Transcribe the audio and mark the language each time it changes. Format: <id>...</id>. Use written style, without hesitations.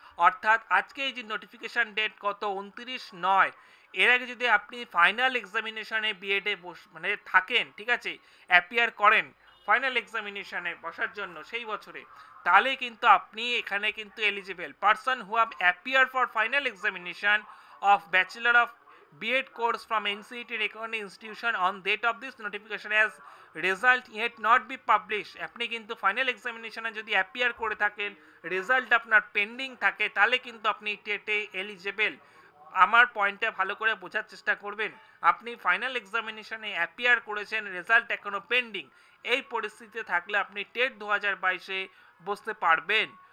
<bn>অর্থাৎ আজকে এই যে নোটিফিকেশান ডেট কত, 29, এর আগে যদি আপনি ফাইনাল এক্সামিনেশানে বিএডে মানে থাকেন, ঠিক আছে, অ্যাপিয়ার করেন ফাইনাল এক্সামিনেশানে বসার জন্য সেই বছরে, তাহলে কিন্তু আপনি এখানে কিন্তু eligible.</bn> <en>Person who have appear for final examination of bachelor of B.ed course from NCET recommended institution on date of this notification as result yet not be published.</en> <bn>আপনি কিন্তু ফাইনাল এক্সামিনেশনে যদি অ্যাপিয়ার করে থাকেন, রেজাল্ট আপনার pending থাকে, তাহলে কিন্তু আপনি টেটে এলিজেবল। আমার পয়েন্টটা ভালো করে বোঝার চেষ্টা করবেন। আপনি ফাইনাল এক্সামিনেশনে অ্যাপিয়ার করেছেন, রেজাল্ট এখনও পেন্ডিং, এই পরিস্থিতিতে থাকলে আপনি টেট 2022 বসতে পারবেন।</bn>